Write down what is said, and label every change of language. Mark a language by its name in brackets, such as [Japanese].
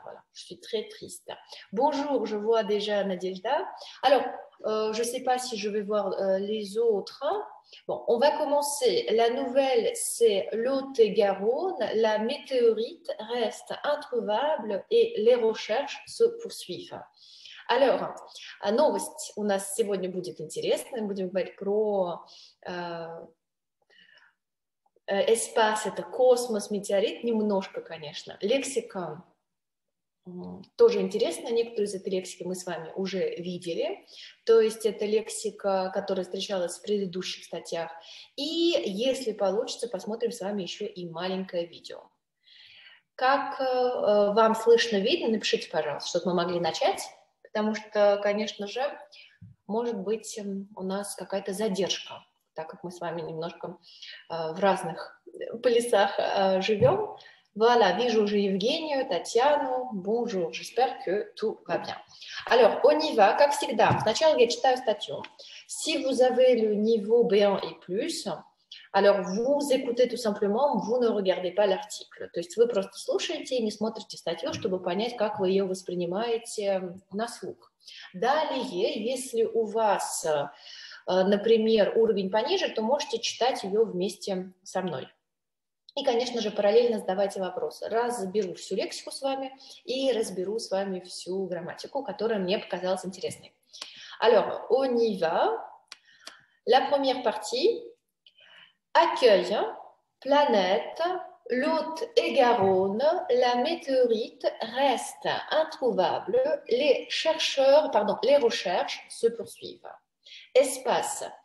[French] Voilà, je suis très triste. Bonjour, je vois déjà Nadiejda. Alors, je ne sais pas si je vais voir les autres. Bon, on va commencer. La nouvelle, c'est Lot-et-Garonne. La météorite reste introuvable et les recherches se poursuivent. [Russian] Alors, новость. У нас сегодня будет интересно. Мы будем говорить про espace, это космос, метеорит. Немножко, конечно. Лексика тоже интересно, некоторые из этой лексики мы с вами уже видели, то есть это лексика, которая встречалась в предыдущих статьях, и если получится, посмотрим с вами еще и маленькое видео. Как вам слышно, видно, напишите, пожалуйста, чтобы мы могли начать, потому что, конечно же, может быть у нас какая-то задержка, так как мы с вами немножко в разных полюсах живем. Voilà, вижу уже Евгению, Татьяну. [French] Bonjour, j'espère que tout va bien. Alors, on y va, [Russian] как всегда. Сначала я читаю статью. [French] Si vous avez le niveau B1 et plus, alors vous écoutez tout simplement, vous ne regardez pas l'article. [Russian] То есть вы просто слушаете и не смотрите статью, чтобы понять, как вы ее воспринимаете на слух. Далее, если у вас, например, уровень пониже, то можете читать ее вместе со мной. И, конечно же, параллельно задавайте вопросы. Разберу всю лексику с вами и разберу с вами всю грамматику, которая мне показалась интересной. [French] Alors, on y va. La première partie. Accueil, planète, Lot et Garonne, la météorite reste introuvable, les recherches se poursuivent. Espace.